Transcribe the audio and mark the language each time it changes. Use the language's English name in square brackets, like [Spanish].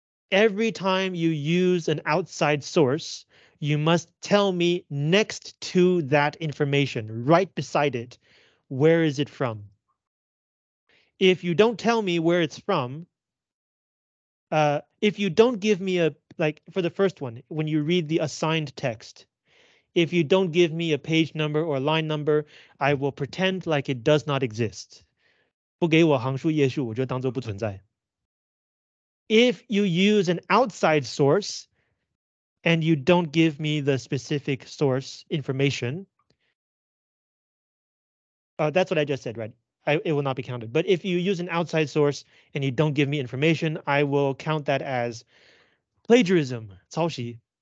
[English] Every time you use an outside source, you must tell me next to that information, right beside it, where is it from? If you don't tell me where it's from, If you don't give me a, like for the first one, when you read the assigned text, if you don't give me a page number or a line number, I will pretend like it does not exist. [Chinese] 不给我行书页数，我就当作不存在。 [English] If you use an outside source and you don't give me the specific source information, that's what I just said, right? It will not be counted. But if you use an outside source and you don't give me information, I will count that as plagiarism, 抄袭.